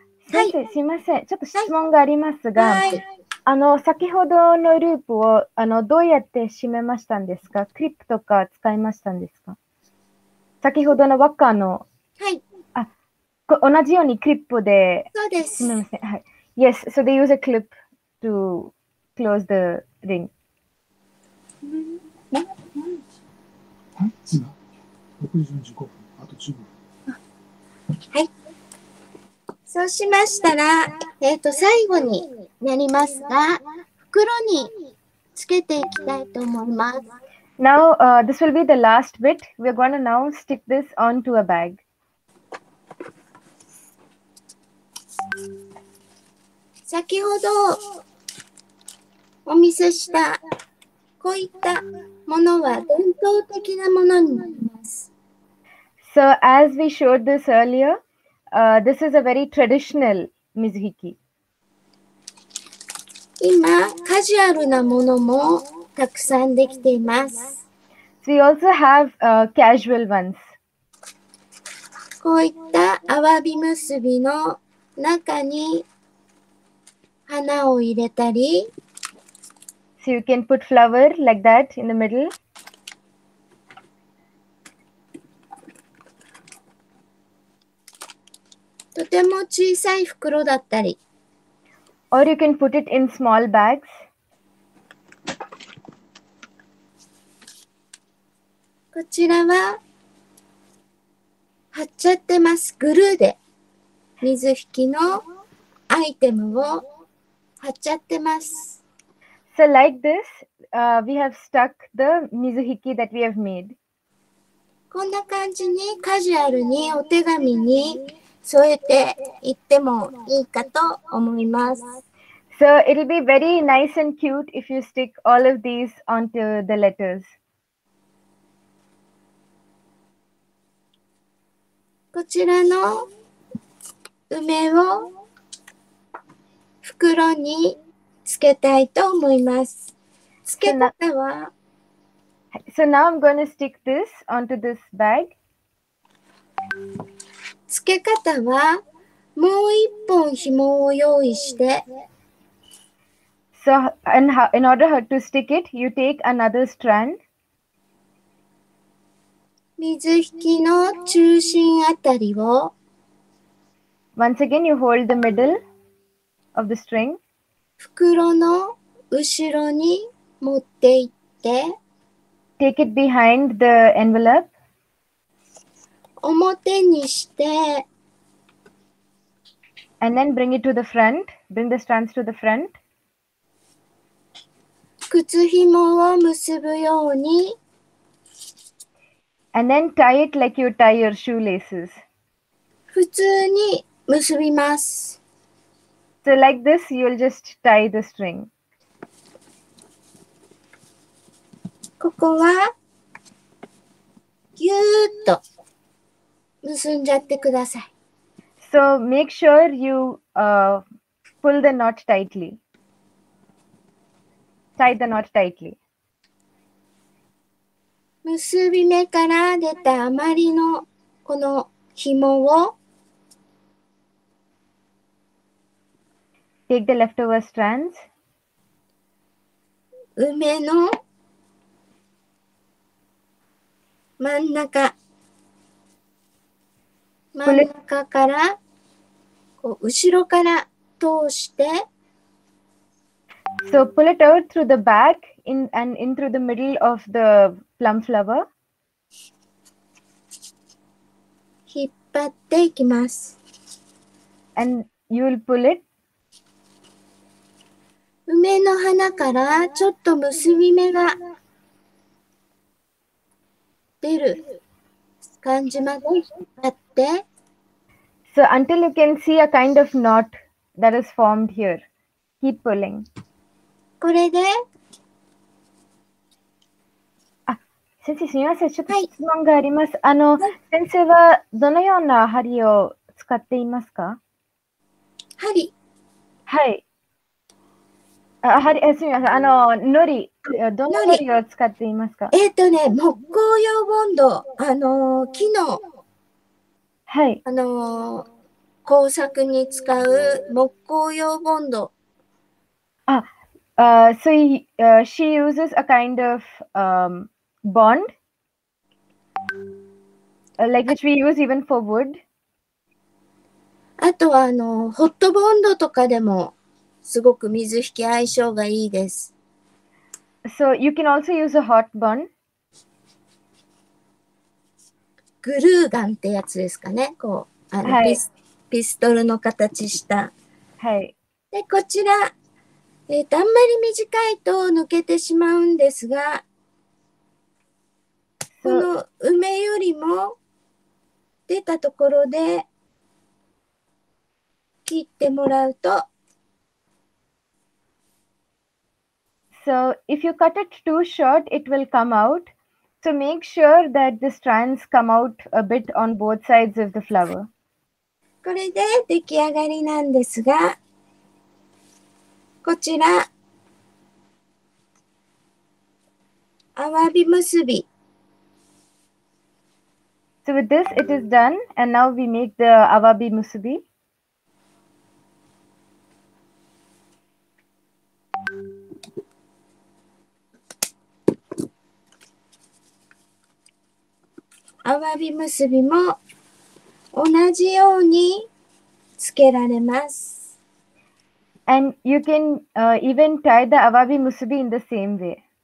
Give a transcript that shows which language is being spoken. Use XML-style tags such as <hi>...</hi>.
<ja>すいません。ちょっと質問がありますが、先ほどのループをどうやって締めましたんですか？クリップとか使いましたんですか？先ほどの輪っかの、同じようにクリップで、そうです。すみません。はい。</ja> <en>Yes, so they use a clip to close the ring.</en> <ja>はい。そうしましたら、最後になりますが、袋につけていきたいと思います。</ja> <en>Now, this will be the last bit. We're going to now stick this onto a bag.</en> <ja>先ほどお見せしたこういったものは伝統的なものになります。</ja> <en>So as we showed this earlier, this is a very traditional 水引き。</en> <ja>今、カジュアルなものもたくさんできています。</ja> <en>So、we also have casual ones.</en> <ja>こういったアワビ結びの中に花を入れたり、</ja> <en>So you can put flower like that in the middle.</en> <ja>とても小さい袋だったり。</ja> <en>Or you can put it in small bags.</en> <ja>こちらは貼っちゃってます。グルーで水引きのアイテムを貼っちゃってます。</ja> <en>So like this, we have stuck the mizuhiki that we have made.</en> <ja>こんな感じにカジュアルにお手紙に添えていってもいいかと思います。</ja> <en>So it'll be very nice and cute if you stick all of these onto the letters.</en> <ja>こちらの梅を袋につけたいと思います。つけ方は、</ja> <en>So now I'm going to stick this onto this bag.</en> <ja>つけ方は、もう一本紐を用意して。</ja> <en>So in order to stick it, you take another strand.</en> <ja>水引きの中心あたりを。</ja> <en>Once again, you hold the middle of the string.</en> <ja>袋の後ろに持っていって。</ja> <en>Take it behind the envelope.</en> <ja>表にして。</ja> <en>And then bring it to the front. Bring the strands to the front.</en> <ja>靴紐を結ぶように。</ja> <en>And then tie it like you tie your shoelaces.</en> <ja>普通に結びます。</ja> <en>So like this, you'll just tie the string.</en> <ja>ここはぎゅーっと結んじゃってください。</ja> <en>So make sure you pull the knot tightly. Tie the knot tightly.</en> <ja>結び目から出た余りのこの紐を</ja> <en>Take the leftover strands.</en> <ja>梅の真ん中からこう後ろから通して</ja> <en>So pull it out through the back in, and in through the middle of the plum flower</en> <ja>引っ張っていきます</ja> <en>And you will pull it</en> <ja>梅の花からちょっと結び目が出る感じまで引っ張って</ja> <en>So until you can see a kind of knot that is formed here, keep pulling.</en> <ja>これであ、先生すみません、ちょっと質問があります。はい、先生はどのような針を使っていますか？針。はい。すみません、糊。どの針を使っていますか？木工用ボンド、木の、はい、工作に使う木工用ボンド。</ja> <en>So she uses a kind of bond, like which we use even for wood.</en> <ja>あとはホットボンドとかでもすごく水引き相性がいいです。</ja> <en>So you can also use a hot bun.</en> <ja>グルーガンってやつですかね。こう、はい、ピストルの形した。はい。で、こちら、あんまり短いと抜けてしまうんですが、この梅よりも出たところで切ってもらうと、</ja> <en>So if you cut it too short, it will come out. So make sure that the strands come out a bit on both sides of the flower.</en> <ja>これで出来上がりなんですが、こちら、あわび結び。</ja> <en>So with this, it is done. And now we make the あわび結び。</en> <ja>アワビ結びも同じようにつけられます。</ja> <en>And you can even tie the アワビ結び in the same way.</en>